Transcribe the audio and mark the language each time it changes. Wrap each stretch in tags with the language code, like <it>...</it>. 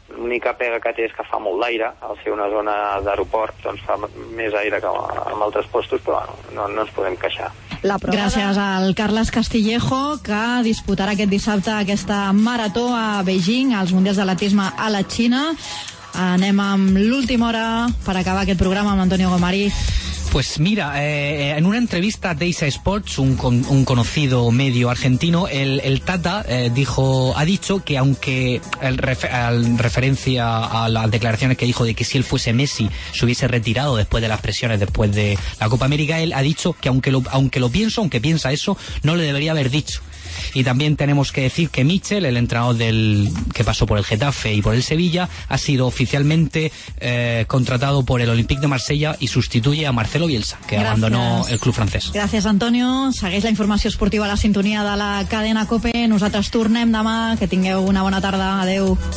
<ca>L'única pega que té és que fa molt d'aire, al ser una zona d'aeroport, doncs fa més aire que en altres llocs, però bueno, no ens podem queixar. Gràcies al Carles Castillejo, que disputarà aquest dissabte aquesta marató a Beijing, als Mundials d'Atletisme a la Xina. Anem amb l'última hora per acabar aquest programa amb Antonio Gomariz.</ca> <es>Pues mira, en una entrevista a Deisa Sports, un conocido medio argentino, el Tata ha dicho que aunque referencia a las declaraciones que dijo de que si él fuese Messi se hubiese retirado después de las presiones después de la Copa América, él ha dicho que aunque piensa eso, no le debería haber dicho. Y también tenemos que decir que Michel, el entrenador del que pasó por el Getafe y por el Sevilla, ha sido oficialmente contratado por el Olympique de Marsella y sustituye a Marcelo Bielsa, que gracias. Abandonó el club francés. Gracias, Antonio.</es> <ca>Segueix la informació esportiva a la sintonia de la cadena COPE. Nosaltres tornem demà. Que tingueu una bona tarda. Adeu.</ca>